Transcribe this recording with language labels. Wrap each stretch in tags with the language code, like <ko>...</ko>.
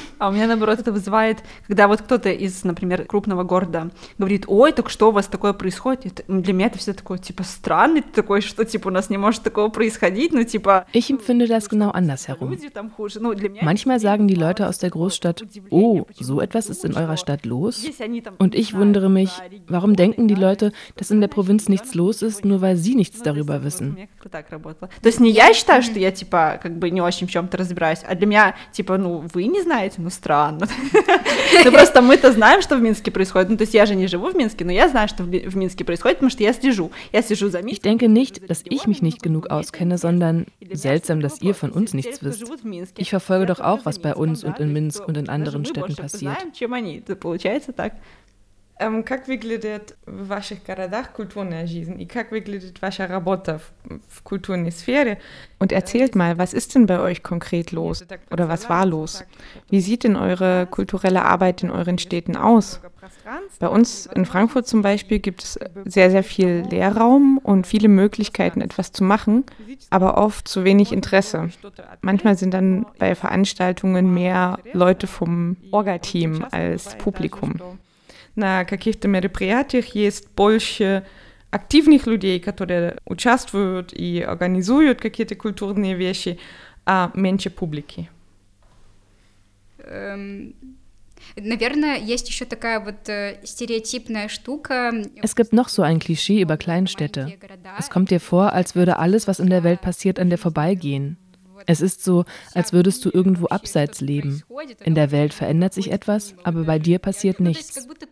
<ru>А у меня, наоборот, это вызывает, когда вот кто-то из, например, крупного города говорит, ой, так что у вас такое происходит? Для меня это всё такое, типа, странно, такое, что, типа, у нас не может такого происходить, ну, типа...</ru> <de>Ich empfinde das genau andersherum. Manchmal sagen die Leute aus der Großstadt, oh, so etwas ist in eurer Stadt los? Und ich wundere mich, warum denken die Leute, dass in der Provinz nichts los ist, nur weil sie nichts darüber wissen?</de> <ru>То есть не я считаю, что я, типа, как бы не очень в чём-то разбираюсь, а для меня, типа, ну, вы не знаете, ну, странно. Ну, просто мы-то знаем, что в Минске происходит. Ну, то есть я же не живу в Минске, но я знаю, что в Минске происходит, потому что я слежу. Я сижу за Минском.</ru> <de>Ich denke nicht, dass ich mich nicht genug auskenne, sondern seltsam, dass ihr von uns nichts wisst. Ich verfolge doch auch, was bei uns und in Минск und in anderen Städten passiert.</de> <ru>Получается так. Как выглядит в ваших городах культурная жизнь и как выглядит ваша работа в культурной сфере?</ru> <de>Und erzählt mal, was ist denn bei euch konkret los oder was war los? Wie sieht denn eure kulturelle Arbeit in euren Städten aus? Bei uns in Frankfurt zum Beispiel gibt es sehr, sehr viel Leerraum und viele Möglichkeiten, etwas zu machen, aber oft zu wenig Interesse. Manchmal sind dann bei Veranstaltungen mehr Leute vom Orga-Team als Publikum.</de> <ru>На каких-то мероприятиях есть больше активных людей, которые участвуют и организуют какие-то культурные вещи, а меньше публики. Наверное, есть еще такая вот стереотипная штука.</ru> <de>Es gibt noch so ein Klischee über Kleinstädte. Es kommt dir vor, als würde alles, was in der Welt passiert, an dir vorbeigehen. Es ist so, als würdest du irgendwo abseits leben. In der Welt verändert sich etwas, aber bei dir passiert nichts.</de>